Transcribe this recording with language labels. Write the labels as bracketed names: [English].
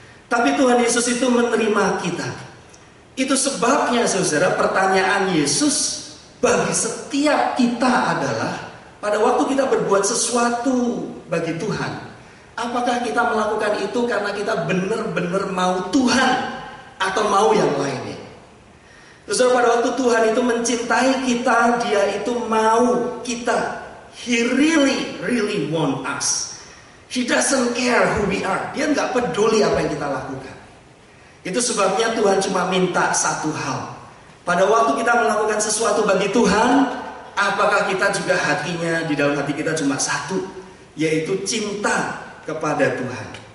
[Indonesian] Tapi Tuhan Yesus itu menerima kita. Itu sebabnya, saudara, pertanyaan Yesus bagi setiap kita adalah, pada waktu kita berbuat sesuatu bagi Tuhan, apakah kita melakukan itu karena kita benar-benar mau Tuhan atau mau yang lainnya? Saudara, pada waktu Tuhan itu mencintai kita, dia itu mau kita. [English] He really, really want us. He doesn't care who we are. [Indonesian] Dia gak peduli apa yang kita lakukan. Itu sebabnya Tuhan cuma minta satu hal. Pada waktu kita melakukan sesuatu bagi Tuhan, apakah kita juga hatinya, di dalam hati kita cuma satu, yaitu cinta kepada Tuhan.